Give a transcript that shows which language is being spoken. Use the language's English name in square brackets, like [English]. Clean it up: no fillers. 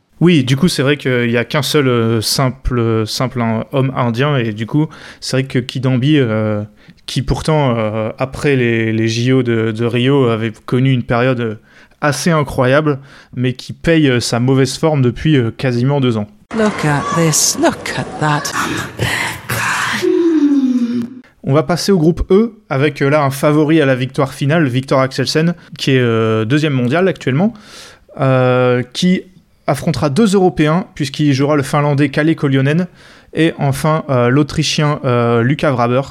[French] Oui, du coup, c'est vrai qu'il n'y a qu'un seul simple homme indien. Et du coup, c'est vrai que Kidambi, qui pourtant, après les JO de Rio, avait connu une période assez incroyable, mais qui paye sa mauvaise forme depuis quasiment 2 ans. [English] Look at this, look at that. [French] On va passer au groupe E, avec là un favori à la victoire finale, Victor Axelsen, qui est deuxième mondial actuellement, qui affrontera 2 Européens, puisqu'il jouera le Finlandais Kalle Koljonen, et enfin l'Autrichien Luca Vraber.